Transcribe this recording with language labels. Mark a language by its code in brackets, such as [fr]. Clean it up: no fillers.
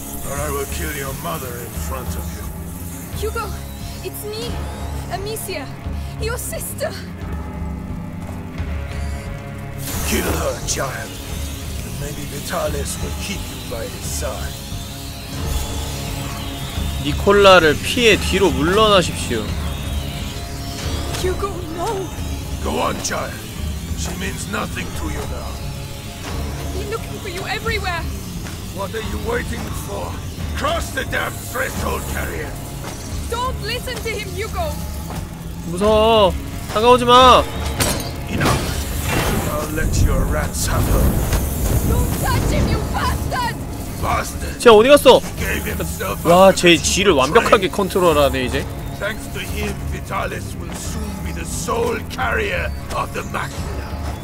[en] Or I will kill your mother in front of you. Hugo, it's me, Amicia, your sister. Kill her, child. And maybe Vitalis will keep you by his side. [ko] 니콜라를 피해 뒤로 물러나십시오. [en] Hugo, no. Go on, child. She means nothing to you now. I've been looking for you everywhere. What are you waiting for? Cross the damn threshold, carrier! Don't listen to him, Hugo! [ko] 무서워! 다가오지 마! [en] Enough! I'll let your rats have her. Don't touch him, you bastard! Bastard! [ko] 쟤 어디 갔어? 와, 쟤 G를 완벽하게 컨트롤하네, 이제. [en] Thanks to him, Vitalis will soon be the sole carrier of the Machina.